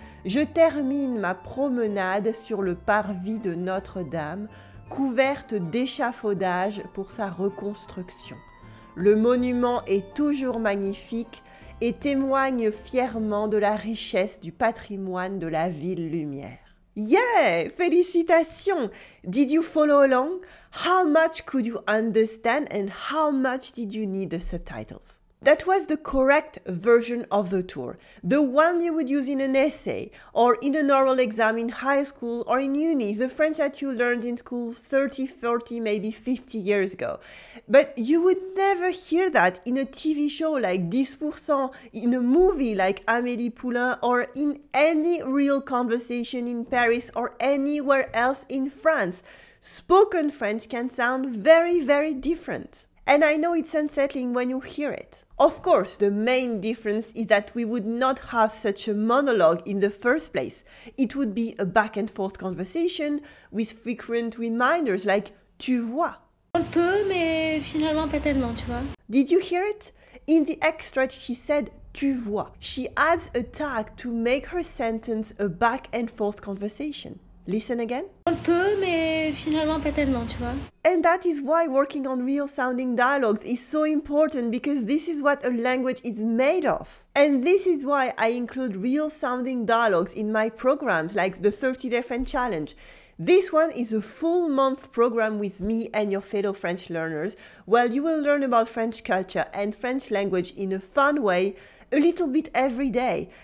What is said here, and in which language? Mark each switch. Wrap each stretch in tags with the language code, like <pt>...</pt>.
<fr>Je termine ma promenade sur le parvis de Notre-Dame, couverte d'échafaudages pour sa reconstruction. Le monument est toujours magnifique, et témoigne fièrement de la richesse du patrimoine de la ville lumière.</fr> <en>Yeah! Félicitations! Did you follow along? How much could you understand and how much did you need the subtitles? That was the correct version of the tour, the one you would use in an essay or in an oral exam in high school or in uni, the French that you learned in school 30, 40, maybe 50 years ago. But you would never hear that in a TV show like 10%, in a movie like Amélie Poulain, or in any real conversation in Paris or anywhere else in France. Spoken French can sound very, very different. And I know it's unsettling when you hear it. Of course, the main difference is that we would not have such a monologue in the first place. It would be a back and forth conversation with frequent reminders like</en> <fr>tu vois. Un peu, mais finalement pas tellement, tu vois.</fr> <en>Did you hear it? In the extract, she said</en> <fr>tu vois.</fr> <en>She adds a tag to make her sentence a back and forth conversation. Listen again.</en> <fr>Un peu, mais finalement pas tellement, tu vois.</fr> <en>And that is why working on real sounding dialogues is so important, because this is what a language is made of. And this is why I include real sounding dialogues in my programs, like the 30 Day French Challenge. This one is a full month program with me and your fellow French learners, where you will learn about French culture and French language in a fun way, a little bit every day.</en>